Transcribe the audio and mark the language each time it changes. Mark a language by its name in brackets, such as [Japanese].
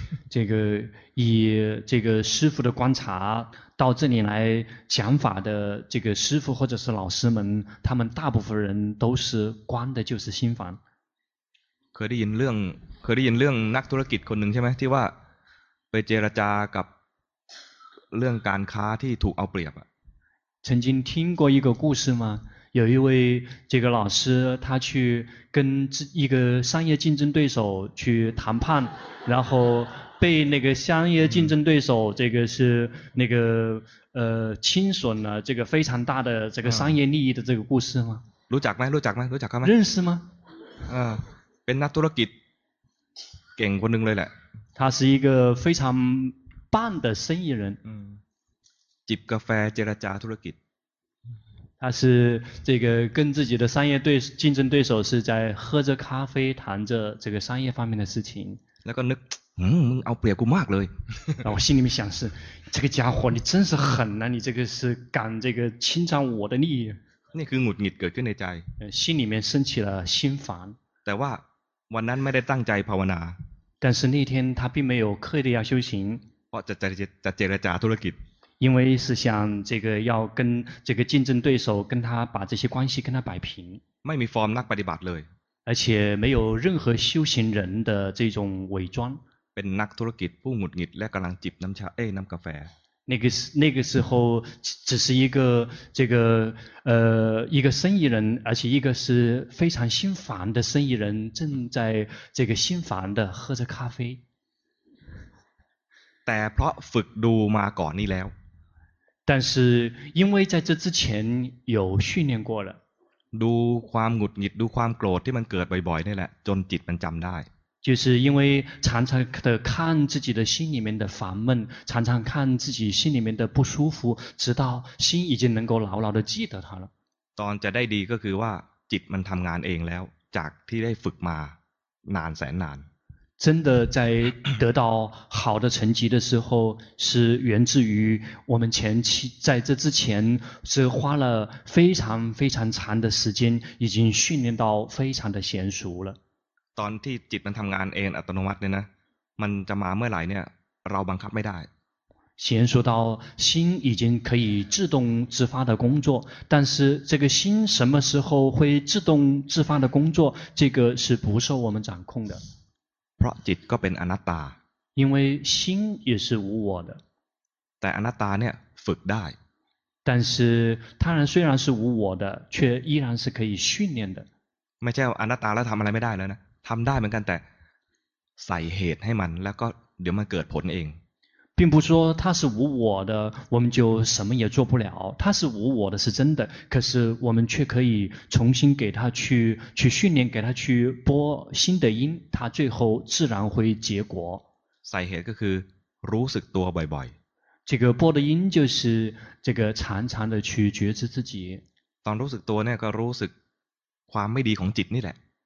[Chinese] 这个以这个师父的观察到这里来讲法的这个师父或者是老师们他们大部分人都是观的就是心烦 [Thai] เคยได้ยินเรื่องนักธุรกิจคนหนึ่งใช่ไหมที่ว่าไปเจรจากับเรื่องการค้าที่ถูกเอาเปรียบอ่ะ [Chinese] 曾经听过一个故事吗有一位这个老师他去跟一个商业竞争对手去谈判然后被那个商业竞争对手这个是那个侵损了这个非常大的这个商业利益的这个故事吗 [Thai] รู้จักไหมรู้จักไหมรู้จักไหม [Chinese] 认识吗 [Thai] เป็นนักธุรกิจเก่งคนหนึ่งเลยแหละ [Chinese] 他是一个非常棒的生意人 [Thai] จิบกาแฟเจรจาธุรกิจ [Chinese] 他是这个跟自己的商业对竞争对手是在喝着咖啡谈着这个商业方面的事情 [Thai] แล้วก็นึกมึงเอาเปรียบกูมากเลย [Chinese] 然后心里面想是这个家伙你真是狠啊你这个是敢这个侵占我的利益 [Thai] นี่คือหงุดหงิดเกิดขึ้นในใจ [Chinese] 心里面升起了心烦 [Thai] แต่ว่าวันนั้นไม่ได้ตั้งใจภาวนา [Chinese] 但是那天他并没有刻意的要修行 [Thai] เพราะจะเจรจาธุรกิจ [Chinese] 因为是想这个要跟这个竞争对手跟他把这些关系跟他摆平 [Thai] ไม่มีฟอร์มนักปฏิบัติเลย [Chinese] 而且没有任何修行人的这种伪装。 [Thai] เป็นนักธุรกิจผู้หงุดหงิดและกำลังจิบน้ำชาเอ้ยน้ำกาแฟ [Chinese] 那个时候只是一个这个一个生意人，而且一个是非常心烦的生意人，正在这个心烦的喝着咖啡。 [Thai] แต่เพราะฝึกดูมาก่อนนี่แล้ว [Chinese] 但是因为在这之前有训练过了。 [Thai] ดูความหงุดหงิดดูความโกรธที่มันเกิดบ่อยๆนี่แหละจนจิตมันจำได้ [Chinese] 就是因为常常的看自己的心里面的烦闷，常常看自己心里面的不舒服，直到心已经能够牢牢的记得它了。 [Thai] ตอนจะได้ดีก็คือว่าจิตมันทำงานเองแล้วจากที่ได้ฝึกมานานแสนนาน [Chinese] 真的在得到好的成绩的时候，是源自于我们前期在这之前是花了非常非常长的时间，已经训练到非常的娴熟了。 [Thai] ตอนที่จิตมันทำงานเองอัตโนมัติเนี่ยนะมันจะมาเมื่อไหร่เนี่ยเราบังคับไม่ได้ [Chinese] 先说到心已经可以自动自发的工作但是这个心什么时候会自动自发的工作这个是不受我们掌控的 [Thai] เพราะจิตก็เป็นอนัตตา [Chinese] 因为心也是无我的 [Thai] แต่อนัตตาเนี่ยฝึกได้ [Chinese] 但是当然虽然是无我的却依然是可以训练的 [Thai] ไม่ใช่อนัตตาแล้วทำอะไรไม่ได้แล้วนะทำได้เหมือนกันแต่ใส่เหตุให้มันแล้วก็เดี๋ยวมันเกิดผลเอง [Chinese] 并不说它是无我的我们就什么也做不了它是无我的是真的可是我们却可以重新给它去训练给它去播新的因它最后自然会结果 [Thai] ใส่เหตุก็คือรู้สึกตัวบ่อย [Chinese] ๆ这个播的因就是这个常常的去觉知自己 [Thai] ตอนรู้สึกตัวเนี่ยก็รู้สึกความไม่ดีของจิตนี่แหละ